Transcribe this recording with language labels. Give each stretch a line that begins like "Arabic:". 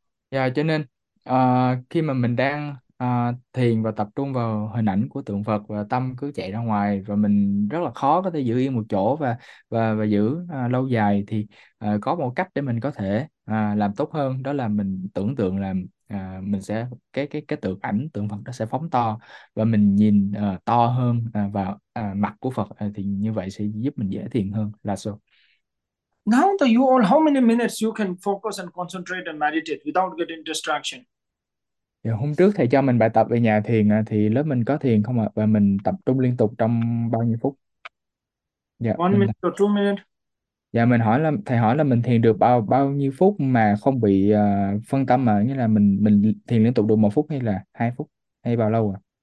Vietnamese: Dạ, cho nên khi mà mình đang thiền và tập trung vào hình ảnh của tượng Phật và tâm cứ chạy ra ngoài và mình rất là khó có thể giữ yên một chỗ và giữ lâu dài, thì có một cách để mình có thể làm tốt hơn, đó là mình tưởng tượng là mình sẽ cái tượng ảnh tượng Phật nó sẽ phóng to và mình nhìn to hơn vào mặt của Phật, thì như vậy sẽ giúp mình dễ thiền hơn là sao.
English: Now that you all, how many minutes you can focus and concentrate and meditate without getting distraction?
Vietnamese: Hôm trước thầy cho mình bài tập về nhà thiền thì lớp mình có thiền không ạ? Và mình tập trung liên tục trong bao nhiêu phút? Dạ,
English: One
Vietnamese: mình
English: minute or 2 minutes?
Vietnamese: dạ mình hỏi là thầy hỏi là mình thiền được bao bao nhiêu phút mà không bị phân tâm, mà như là mình thiền liên tục được 1 phút hay là 2 phút hay bao lâu ạ?